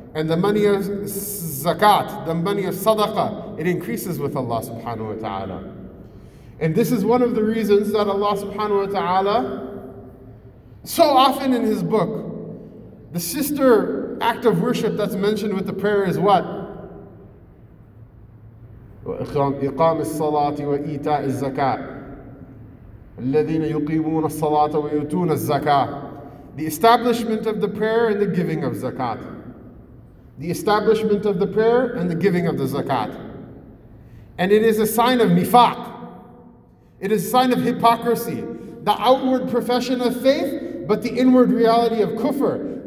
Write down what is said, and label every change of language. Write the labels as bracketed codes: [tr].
[en] And the money of zakat, the money of sadaqah, it increases with Allah subhanahu wa ta'ala. And this is one of the reasons that Allah subhanahu wa ta'ala so often in his book, the sister act of worship that's mentioned with the prayer is what? [ar] إقام الصلاة وإيتاء الزكاة. الذين يقيمون الصلاة ويؤتون الزكاة. [en] The establishment of the prayer and the giving of zakat. The establishment of the prayer and the giving of the zakat. And it is a sign of nifaq. It is a sign of hypocrisy. The outward profession of faith, but the inward reality of kufr.